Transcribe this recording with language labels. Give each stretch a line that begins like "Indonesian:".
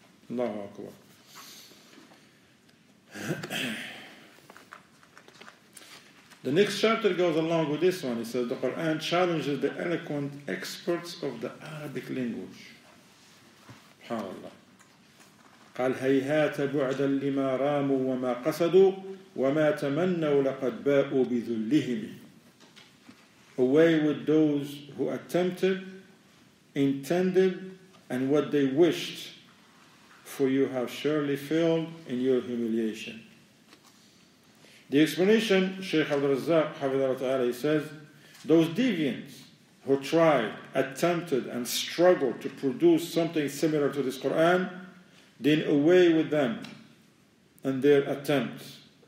English: Allahu Akbar. The next chapter goes along with this one. It says, the Quran challenges the eloquent experts of the Arabic language. SubhanAllah.
Arabic: قال هيهات بعدا لما راموا وما قصدوا وما تمنوا لقد باءوا بذلهم.
English: Away with those who attempted, intended, and what they wished, for you have surely failed in your humiliation. The explanation, Shaykh Abdurrazzaq, Hafidhahu Ta'ala, says, those deviants who tried, attempted, and struggled to produce something similar to this Qur'an, then away with them and their attempts.